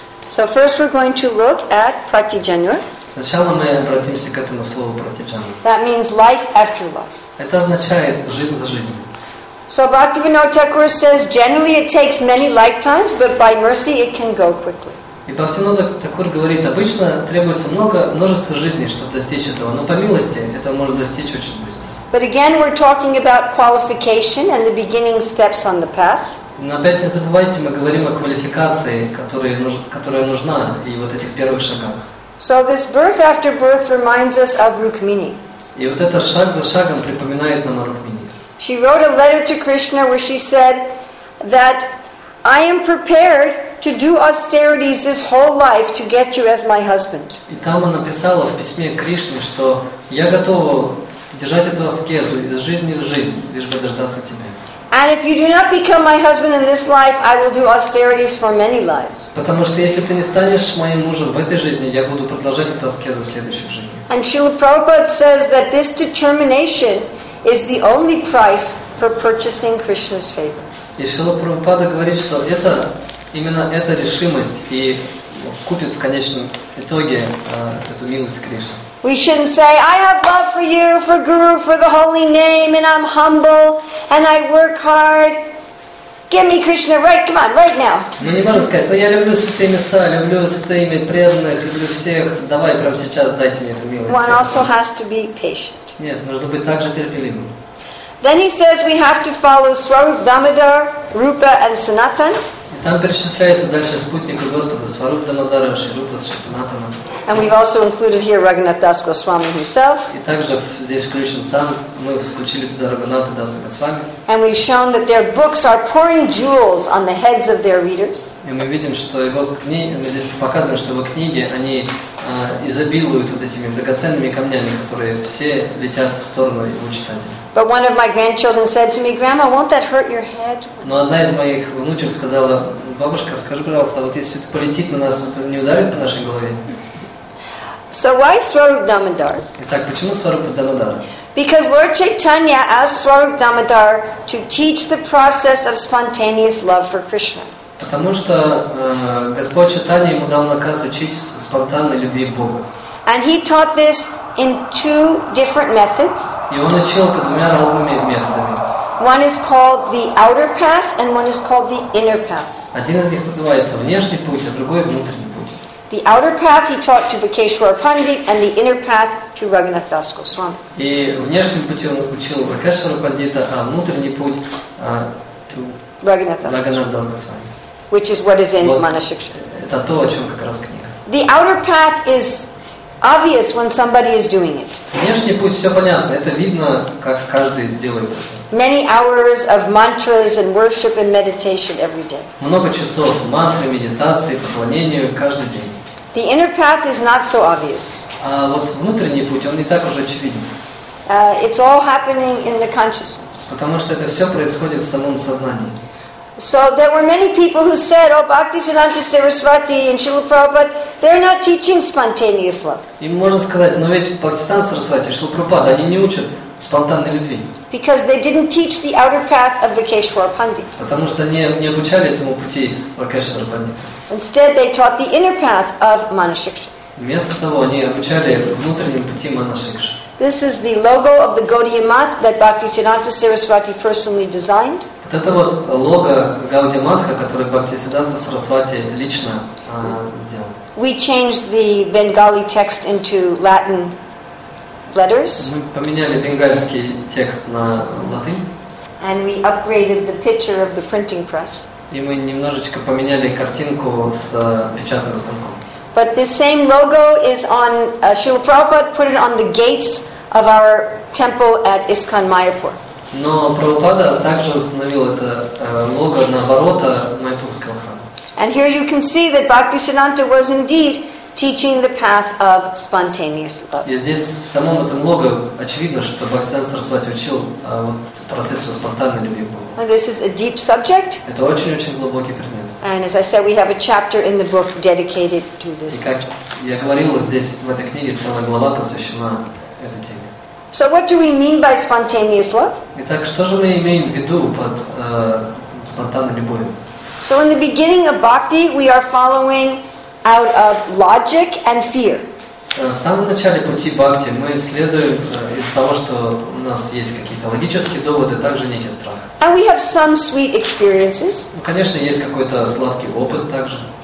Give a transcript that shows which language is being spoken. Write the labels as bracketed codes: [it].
[en] So first we're going to look at Pratijanur. [ru] Сначала мы обратимся к этому слову Pratijanur. [en] That means life after love. [ru] Это означает жизнь за жизнь. [en] So Bhaktivinoda Thakur says generally it takes many lifetimes, but by mercy it can go quickly. [ru] И Бхактивинода Такур говорит, обычно требуется множество жизней, чтобы достичь этого, но по милости это можно достичь очень быстро. [en] But again we're talking about qualification and the beginning steps on the path. [ru] Но опять не забывайте, мы говорим о квалификации, которая нужна, и вот этих первых шагах. [en] So this birth after birth reminds us of Rukmini. [ru] И вот это шаг за шагом припоминает нам о Рукмини. [en] She wrote a letter to Krishna where she said that I am prepared to do austerities this whole life to get you as my husband. [ru] И там она написала в письме Кришне, что я готова держать эту аскезу из жизни в жизнь, лишь бы дождаться тебя. [en] And if you do not become my husband in this life, I will do austerities for many lives. [ru] Потому что если ты не станешь моим мужем в этой жизни, я буду продолжать эту аскезу в следующей жизни. [en] And Srila Prabhupada says that this determination is the only price for purchasing Krishna's favor. [ru] И Srila Prabhupada говорит, что это именно эта решимость и купит в конечном итоге эту милость Кришны. [en] We shouldn't say, I have love for you, for Guru, for the holy name, and I'm humble, and I work hard. Give me Krishna, right, come on, right now. [ru] Мы не можем сказать, да я люблю святые места, люблю святые имя преданных, люблю всех, давай прямо сейчас дайте мне эту милость. [en] One also has to be patient. [ru] Нет, нужно быть также терпеливым. [en] Then he says we have to follow Swarup, Damodar, Rupa, and Sanatan. [ru] Там перечисляются дальше спутники Господа Сварупа Дамодара, Шри Рупа, Шри Санатана. [en] And we've also included here Raghunath Das Goswami himself. [ru] И также здесь включен сам, мы включили туда Рагхунатха Даса Госвами. [en] And we've shown that their books are pouring jewels on the heads of their readers. [ru] И мы видим, что его книги, мы здесь показываем, что его книги, они изобилуют вот этими драгоценными камнями, которые все летят в сторону его читателя. [en] But one of my grandchildren said to me, Grandma, won't that hurt your head? [ru] Но одна из моих внучек сказала, бабушка, скажи, пожалуйста, вот если это полетит на нас, это не ударит по нашей голове? [en] So why Swarup Damodar? [ru] Итак, почему Сварупа Дамодара? [en] Because Lord Chaitanya asked Swarup Damodar to teach the process of spontaneous love for Krishna. [ru] Потому что Господь Чайтанья ему дал наказ учить спонтанной любви к Богу. [en] And he taught this in two different methods. [ru] И он учил это двумя разными методами. [en] One is called the outer path, and one is called the inner path. [ru] Один из них называется внешний путь, а другой внутренний путь. [en] The outer path he taught to Vakeshwara Pandit, and the inner path to Raghunath Das Goswami. [ru] И внешним путем он учил Vakeshwara Pandita, а внутренний путь [en] to Raghunath Das Goswami. Which is what is in Manashikshara. [ru] Это то, о чем как раз книга. [en] The outer path is obvious when somebody is doing it. [ru] Внешний путь все понятно, это видно, как каждый делает это. [en] Many hours of mantras and worship and meditation every day. [ru] Много часов мантры, медитации, поклонению каждый день. [en] The inner path is not so obvious. [ru] А вот внутренний путь, он не так уж очевиден. [en] It's all happening in the consciousness. [ru] Потому что это все происходит в самом сознании. [en] So there were many people who said, "Oh, Bhakti Siddhanta Sarasvati and Srila Prabhupada, they're not teaching spontaneous love." [ru] И можно сказать, но ведь Бхакти Сиддханта Сарасвати, Шрила Прабхупада, они не учат спонтанной любви. [en] Because they didn't teach the outer path of Vakeshwara Pandit. [ru] Потому что не обучали этому пути Vakeshwara Pandita. [en] Instead, they taught the inner path of Manashiksha. [ru] Вместо того, они обучали внутреннему пути Манашикши. [en] This is the logo of the Gaudiya Math that Bhakti Siddhanta Sarasvati personally designed. [ru] Вот это вот лого Гауди Матха, который Бхакти Сиддханта Сарасвати лично сделал. [en] We changed the Bengali text into Latin letters. [ru] Мы поменяли бенгальский текст на латынь. [en] And we upgraded the picture of the printing press. [ru] И мы немножечко поменяли картинку с печатным станком. [en] But the same logo is on Srila Prabhupada put it on the gates of our temple at ISKCON Mayapur. [ru] Но Прабхупада также установил это лого на ворота Майпурского храма. [en] And here you can see that Bhakti Siddhanta was indeed teaching the path of spontaneous love. [ru] И здесь в самом этом лого очевидно, что Бхакти Сиддханта Сарасвати учил вот процессу спонтанной любви к Богу. [en] And this is a deep subject. [ru] Это очень-очень глубокий предмет. [en] And as I said, we have a chapter in the book dedicated to this. [ru] И как я говорил, здесь в этой книге целая глава посвящена этой теме. [en] So what do we mean by spontaneous love? [ru] Итак, что же мы имеем в виду под спонтанной любовью? [en] So in the beginning of bhakti, we are following out of logic and fear. [ru] В самом начале пути бхакти мы следуем из того, что у нас есть какие-то логические доводы, также некий страх. [en] And we have some sweet experiences. [ru] Конечно, есть какой-то сладкий опыт также.